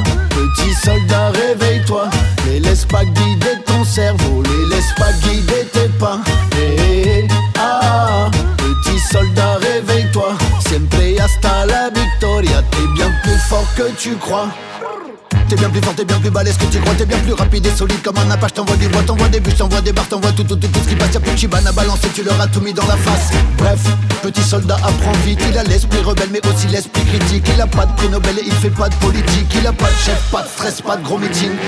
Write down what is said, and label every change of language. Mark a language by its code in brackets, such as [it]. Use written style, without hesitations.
[fr] Petit soldat, réveille-toi. Les laisse pas guider ton cerveau, les laisse pas guider tes pas. Petit soldat, réveille-toi. [es] Siempre hasta la victoria. [fr] T'es bien plus fort que tu crois. T'es bien plus fort, t'es bien plus balèze que tu crois. T'es bien plus rapide et solide comme un Apache. T'envoies du bois, t'envoies des bûches, t'envoies des barres. T'envoies tout ce qui passe. Y'a plus de chibane à balancer, tu leur as tout mis dans la face. Bref, petit soldat apprend vite. Il a l'esprit rebelle mais aussi l'esprit critique. Il a pas de prix Nobel et il fait pas de politique. Il a pas de chef, pas de stress, pas de gros meeting.